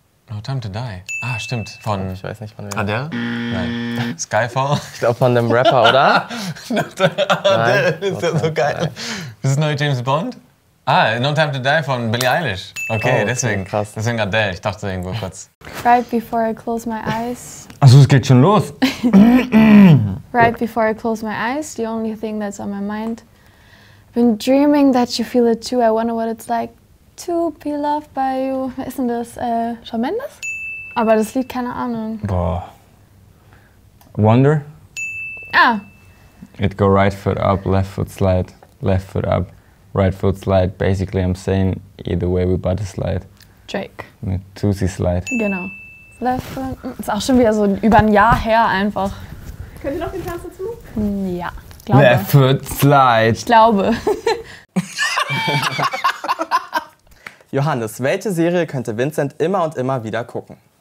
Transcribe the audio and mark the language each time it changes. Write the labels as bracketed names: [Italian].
[German] No time to die? Ah, stimmt. Von. Ich weiß nicht, von wem. Adele? Nein. Skyfall? Ich glaube, von dem Rapper, oder? Adele ist ja so geil. Ist das neue James Bond? Ah, No Time to Die von Billie Eilish. Okay, oh, okay, deswegen. Krass. Deswegen Adele. Ich dachte irgendwo kurz. [English] Right before I close my eyes. [German] Achso, es geht schon los. [English] Right before I close my eyes, the only thing that's on my mind. Been dreaming that you feel it too. I wonder what it's like to be loved by you. [German] Ist denn das Shawn Mendes? Aber das Lied, keine Ahnung. Boah. Wonder? Ah. [English] It go right foot up, left foot slide, left foot up. Right foot slide, basically I'm saying either way we body slide. Drake. [German] Mit Tusi slide. Genau. [English] Left foot. [German] Ist auch schon wieder so über ein Jahr her einfach. Könnt ihr noch den Tanz dazu? Ja, glaube. [English] Left foot slide. [German] Ich glaube. Johannes, welche Serie könnte Vincent immer und immer wieder gucken?